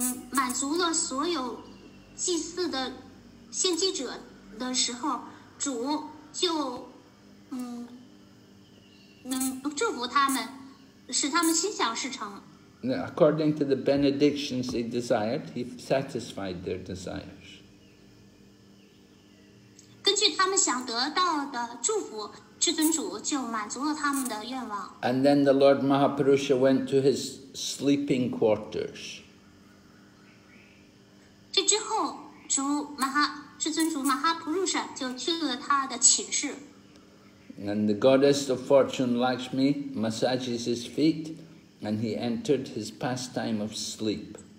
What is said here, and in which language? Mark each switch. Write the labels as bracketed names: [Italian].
[Chinese] 满足了所有祭祀的献祭者的时候，主就祝福他们，使他们心想事成。 [English] Now, according to the benedictions they desired, he satisfied their desires. [Chinese] 根据他们想得到的祝福，至尊主就满足了他们的愿望。 [English] And then the Lord Mahapurusha went to his sleeping quarters. [Chinese] 这之后，至尊主马哈普鲁舍就去了他的寝室。 [English] And the goddess of fortune Lakshmi massages his feet, and he entered his pastime of sleep.